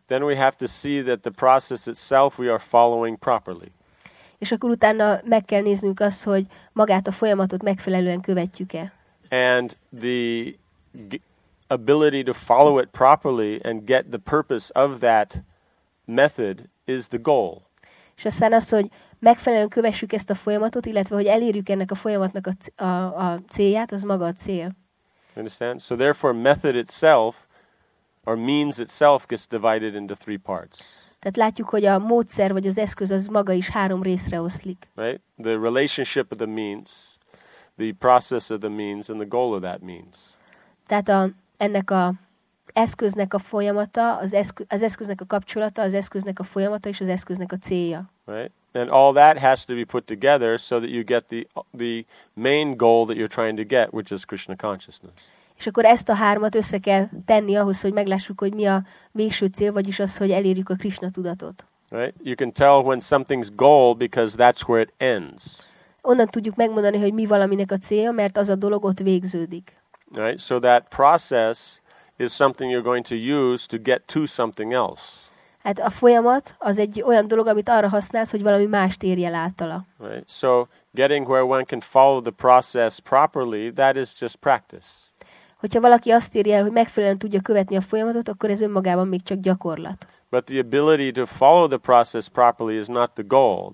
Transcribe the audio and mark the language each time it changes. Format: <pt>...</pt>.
<en>Then we have to see that the process itself we are following properly.</en> <hu>És akkor utána meg kell néznünk azt, hogy magát a folyamatot megfelelően követjük-e.</hu> <en>And the ability to follow it properly and get the purpose of that method is the goal.</en> <hu>És aztán az, hogy megfelelően kövessük ezt a folyamatot, illetve hogy elérjük ennek a folyamatnak a célját, az maga a cél.</hu> <en>Understand? So therefore method itself or means itself gets divided into three parts.</en> <hu>Tehát látjuk, hogy a módszer vagy az eszköz az maga is három részre oszlik.</hu> <en>Right? The relationship of the means, the process of the means and the goal of that means.</en> <hu>Tehát ennek a eszköznek a folyamata, az eszköznek a kapcsolata, az eszköznek a folyamata és az eszköznek a célja.</hu> <en>Right? And all that has to be put together so that you get the main goal that you're trying to get, which is Krishna consciousness.</en> <hu>És akkor ezt a hármat össze kell tenni ahhoz, hogy meglássuk, hogy mi a végső cél, vagyis az, hogy elérjük a Krishna tudatot.</hu> <en>Right? You can tell when something's goal because that's where it ends.</en> <hu>Onnan tudjuk megmondani, hogy mi valaminek a célja, mert az a dolog ott végződik.</hu> <en>Right? So that process is something you're going to use to get to something else.</en> <hu>Hát a folyamat az egy olyan dolog, amit arra használsz, hogy valami mást érjél általa.</hu> <en>Right. So getting where one can follow the process properly, that is just practice.</en> <hu>Hogyha valaki azt érje el, hogy megfelelően tudja követni a folyamatot, akkor ez önmagában még csak gyakorlat.</hu> <en>But the ability to follow the process properly is not the goal.</en>